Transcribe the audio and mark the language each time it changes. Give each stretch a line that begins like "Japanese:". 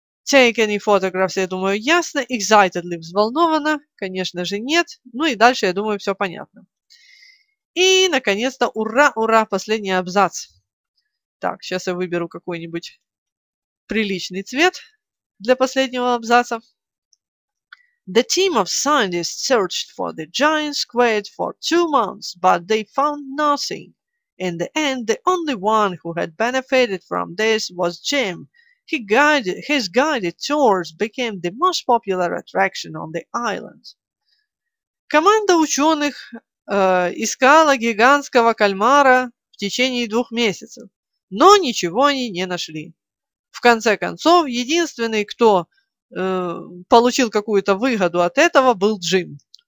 English: Take any photographs,
Russian: я думаю, ясно.
English: Excitedly,
Russian: взволнованно. Конечно же, нет. Ну и дальше, я думаю, все понятно. И, наконец-то, ура, ура, последний абзац. Так, сейчас я выберу какой-нибудь приличный цвет для последнего абзаца.
English: The team of scientists searched for the giant squid for 2 months, but they found nothing. In the end, the only one who had benefited from this was Jim. His guided tours became the most popular attraction on the island.
Russian: Команда ученых искала гигантского кальмара в течение 2 месяцев, но ничего они не нашли. В конце концов, единственный, кто получил какую-то выгоду от этого, был Джим.